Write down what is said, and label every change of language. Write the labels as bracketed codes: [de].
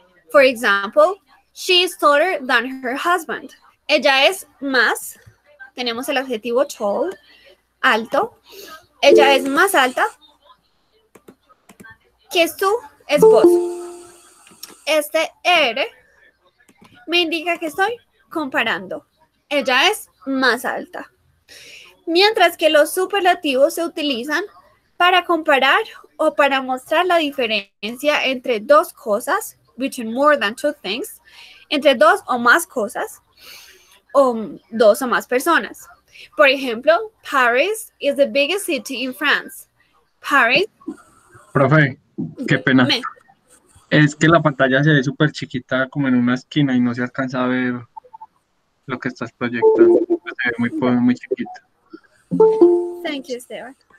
[en] For example, she is taller than her husband. [es] Ella es más, tenemos el adjetivo tall, alto. Ella es más alta que su esposo. Este er me indica que estoy comparando. Ella es más alta. Mientras que los superlativos se utilizan para comparar o para mostrar la diferencia entre dos cosas, [en] between more than two things, [es] entre dos o más cosas, o dos o más personas. Por ejemplo, [en] Paris is the biggest city in France. Paris. [es] Profe, qué pena. Es que la pantalla se ve súper chiquita, como en una esquina, y no se alcanza a ver lo que estás proyectando. Se ve muy, muy chiquita. [en] Thank you, Esteban.